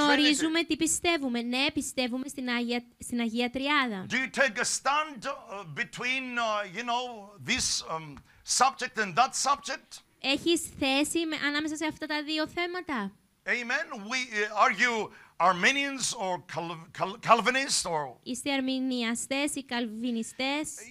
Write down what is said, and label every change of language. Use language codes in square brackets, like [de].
[el] Γνωρίζουμε τι πιστεύουμε. Ναι, πιστεύουμε στην Αγία Τριάδα. [en] Do you take a stand between this subject and that subject? [el] Έχεις θέση ανάμεσα σε αυτά τα δύο θέματα. [en] Amen. Are you Armenians or Calvinists or? [el] Είστε Αρμενιαστές ή Καλβινιστές?